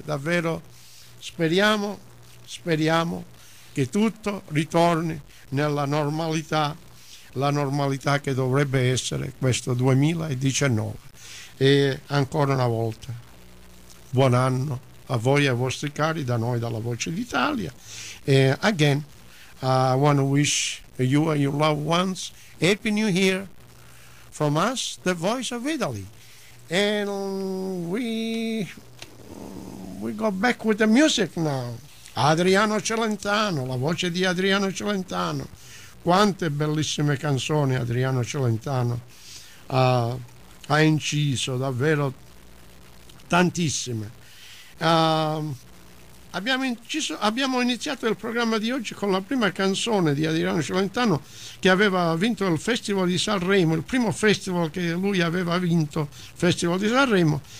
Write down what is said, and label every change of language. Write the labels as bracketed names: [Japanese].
[Italian] Davvero speriamo che tutto ritorni nella normalità, la normalità che dovrebbe essere questo 2019. E ancora una volta buon anno a voi e ai vostri cari da noi, dalla Voce d'Italia. [English] E again I want to wish you and your loved ones happy new year from us, the Voice of Italy. And we go back with the music now. [Italian] Adriano Celentano, la voce di Adriano Celentano. Quante bellissime canzoni Adriano Celentano ha inciso, davvero tantissime. Abbiamo iniziato il programma di oggi con la prima canzone di Adriano Celentano, che aveva vinto il Festival di Sanremo, il primo festival che lui aveva vinto, Festival di Sanremo.